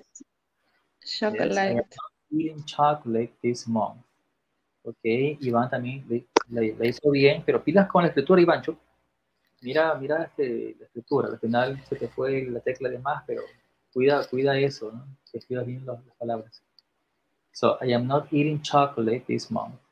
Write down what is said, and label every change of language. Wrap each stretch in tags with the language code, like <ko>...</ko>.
<en>Yes, I am not eating chocolate this month. Okay.</en> <es>Iván también le hizo bien, pero pilas con la escritura, Iváncho. Mira la escritura. Al final se te fue la tecla de más, pero cuida eso, ¿no? Que escribas bien las palabras.</es> <en>So, I am not eating chocolate this month.</en>